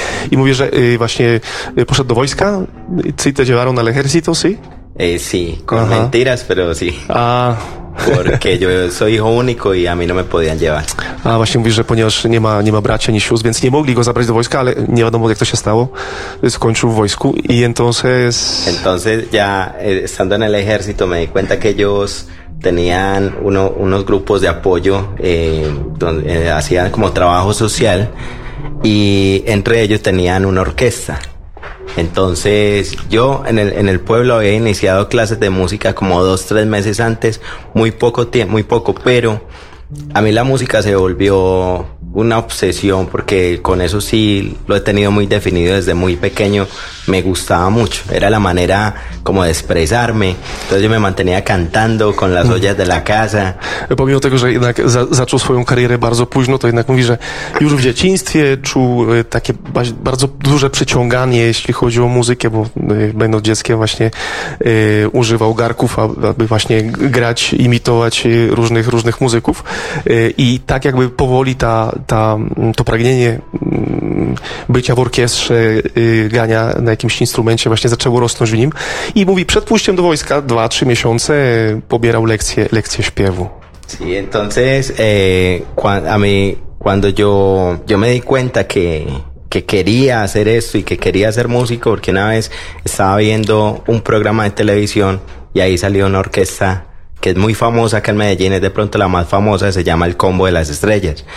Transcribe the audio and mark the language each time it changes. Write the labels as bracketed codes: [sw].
[pl] I mówi, że właśnie poszedł do wojska. [es] ¿Sí te llevaron al ejército, sí? Sí, con mentiras, pero sí. Ah. Porque yo soy hijo único y a mí no me podían llevar. [pl] A właśnie mówisz, że ponieważ nie ma bracia ni sióstr, więc nie mogli go zabrać do wojska, ale nie wiadomo, jak to się stało. Skończył w wojsku i entonces... [es] Entonces ya estando en el ejército me di cuenta que ellos tenían unos grupos de apoyo donde hacían como trabajo social y entre ellos tenían una orquesta. Entonces, yo en el pueblo había iniciado clases de música como 2-3 meses antes, muy poco, pero a mí la música se volvió una obsesión porque con eso sí lo he tenido muy definido desde muy pequeño. Me gustaba mucho, era la manera como de expresarme. Entonces yo me mantenía cantando con las ollas de la casa. [pl] Pomimo tego, że jednak zaczął swoją karierę bardzo późno, to jednak mówi, że już w dzieciństwie czuł takie bardzo duże przyciąganie, jeśli chodzi o muzykę, bo będąc dzieckiem właśnie używał garków, aby właśnie grać, imitować różnych muzyków. I tak jakby powoli to pragnienie bycia w orkiestrze, grania na jakimś instrumencie właśnie zaczęło rosnąć w nim. I mówi, przed pójściem do wojska 2-3 miesiące pobierał lekcje śpiewu. [es] Sí, entonces cuando yo me di cuenta que quería hacer esto y que quería ser músico, porque una vez estaba viendo un programa de televisión y ahí salió una orquesta que es muy famosa acá en Medellín, es de pronto la más famosa, se llama el Combo de las Estrellas.